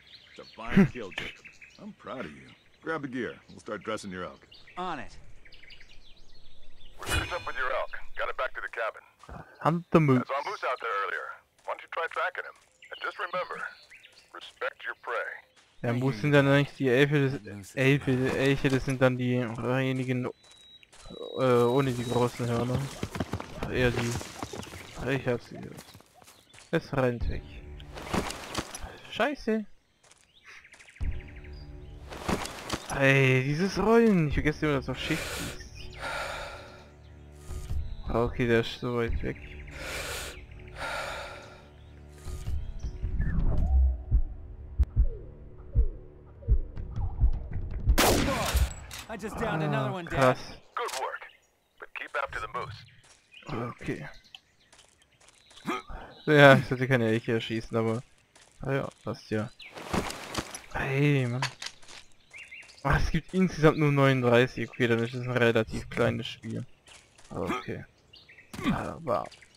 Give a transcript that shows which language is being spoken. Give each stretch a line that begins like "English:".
English: It's a fine kill, Jacob. I'm proud of you. Grab the gear. We'll start dressing your elk. On it. What's up with your elk? Got it back to the cabin. Hunt the moose. I saw a moose out there earlier. Why don't you try tracking him? And just remember, respect your prey.
German: Ja, Moose sind dann nicht die Elche, Elche, das sind dann diejenigen ohne die großen Hörner. Eher die. Ich hab sie. Es rennt weg. Scheiße. Ey, dieses Rollen. Ich vergesse immer, dass es auf Schicht ist. Okay, der ist so weit weg.
English: I just downed another one, Dad. Good work. But keep after the moose. Okay.
German: Ja, ich sollte keine Elche erschießen, aber... naja, passt ja. Ey, Mann. Ach, es gibt insgesamt nur 39. Okay, dann ist es ein relativ kleines Spiel. Okay. Aber...